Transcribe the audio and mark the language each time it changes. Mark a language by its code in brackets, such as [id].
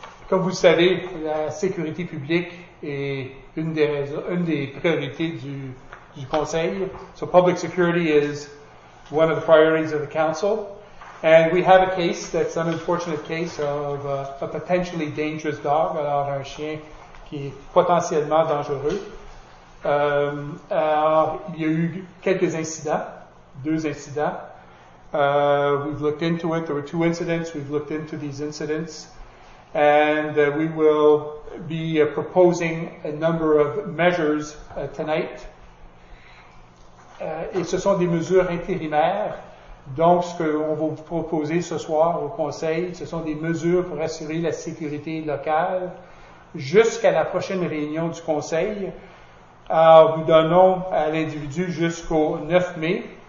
[fr] Comme vous le savez, la sécurité publique est une des priorités du Conseil. [en] So public security is one of the priorities of the Council. And we have a case that's an unfortunate case of a potentially dangerous dog, [fr] alors un chien qui est potentiellement dangereux. [en] Il y a eu quelques incidents, deux incidents. We've looked into it. There were two incidents. We've looked into these incidents. And we will be proposing a number of measures tonight. [fr] Et ce sont des mesures intérimaires. Donc, ce qu'on va vous proposer ce soir au Conseil, ce sont des mesures pour assurer la sécurité locale jusqu'à la prochaine réunion du Conseil. Alors, nous donnons à l'individu jusqu'au 9 mai.